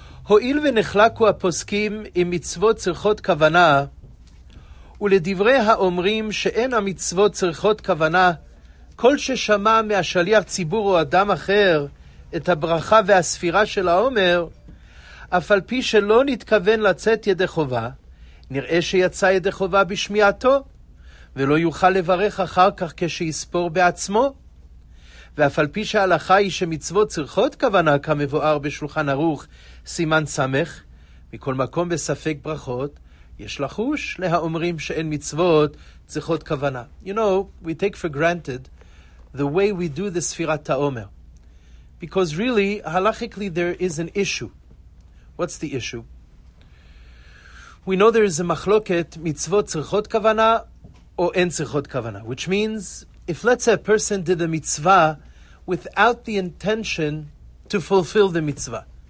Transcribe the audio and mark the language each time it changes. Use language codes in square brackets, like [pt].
[he] Ho'il v'nechlaku aposkim im mitzvot tzrichot kavana uledivrei ha'omrim she'en ha'mitzvot tzrichot kavana kol she'shama me'ashaliach tzibur o adam acher et ha'bracha ve'asfira shel ha'omer אף על פי שלא נתכוון לצאת ידי חובה, נראה שיצא ידי חובה בשמיעתו, ולא יוכל לברך אחר כך כשיספור בעצמו. ואף על פי שההלכה היא שמצוות צריכות כוונה כמבואר בשולחן ערוך, סימן סמך, מכל מקום בספק ברכות, יש לחוש להאומרים שאין מצוות צריכות כוונה. [en] You know, we take for granted the way we do the ספירת העומר. Because really, halachically there is an issue. What's the issue? We know there is a machloket, mitzvot tzrichot kavana, or en tzrichot kavana, which means, if let's say a person did a mitzvah without the intention to fulfill the mitzvah.